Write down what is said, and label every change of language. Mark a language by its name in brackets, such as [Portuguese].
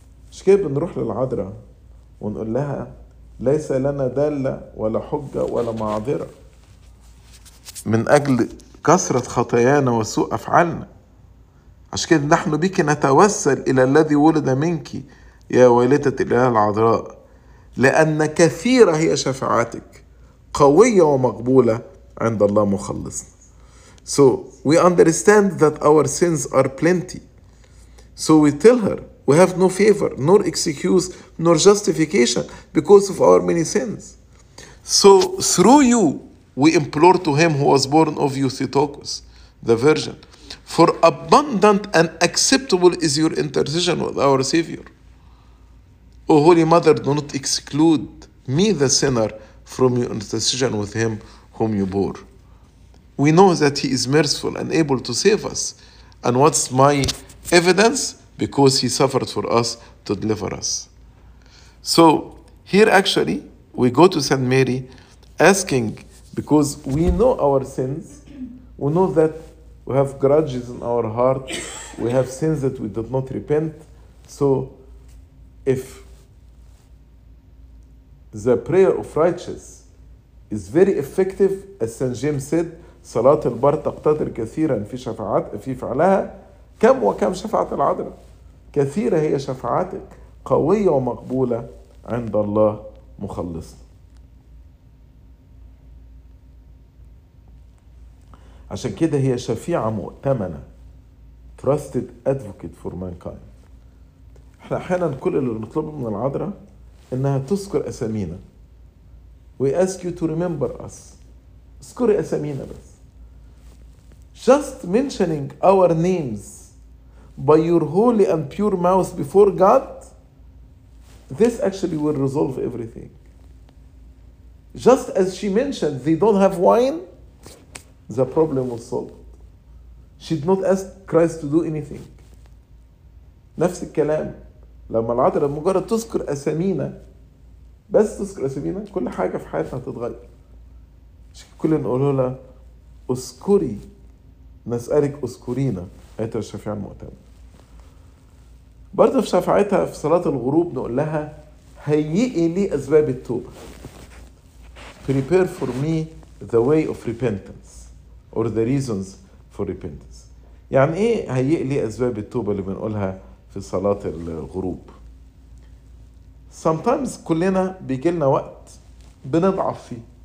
[Arabic] مش كده بنروح للعذراء ونقول لها ليس لنا دالة ولا حجة ولا معذرة من أجل كثرة خطايانا وسوء أفعالنا, عشان كده نحن بك نتوسل إلى الذي ولد منك يا والدة الإله العذراء, لأن كثيرة هي شفاعتك قوية ومقبولة عند الله مخلصنا. [English] So we understand that our sins are plenty. So we tell her we have no favor, nor excuse, nor justification because of our many sins. So through you, we implore to him who was born of you, Theotokos, the Virgin, for abundant and acceptable is your intercession with our Savior. O Holy Mother, do not exclude me, the sinner, from your intercession with him whom you bore. We know that he is merciful and able to save us. And what's my evidence? Because he suffered for us to deliver us. So here actually we go to Saint Mary asking, because we know our sins, we know that we have grudges in our heart, we have sins that we did not repent. So if the prayer of righteous is very effective, as Saint James said, [Arabic] صلاة البر تقتدر كثيرا في شفاعات في فعلها كم وكم شفاعة العذراء. كثيرة هي شفاعتك قوية ومقبولة عند الله مخلصنا. عشان كده هي شفيعة مؤتمنة, [English] trusted advocate for mankind. [Arabic] احنا احيانا كل اللي نطلبه من العذراء انها تذكر اسامينا. [English] We ask you to remember us. [Arabic] اذكري اسامينا بس. [English] Just mentioning our names by your holy and pure mouth before God, this actually will resolve everything. Just as she mentioned, they don't have wine, the problem was solved. She did not ask Christ to do anything. [Arabic] نفس الكلام لما العذراء مجرد تذكر أسامينا, بس تذكر أسامينا كل حاجة في حياتنا هتتغير. كل نقوله لها أذكري, نسألك أذكرينا, أيتها الشفيعة المؤتمنة. برضه في شفاعتها في صلاة الغروب نقول لها هيئي لي أسباب التوبة. [English] Prepare for me the way of repentance or the reasons for repentance. [Arabic] يعني إيه هيئي لي أسباب التوبة اللي بنقولها في صلاة الغروب؟ [English] Sometimes [Arabic] كلنا بيجي لنا وقت بنضعف فيه.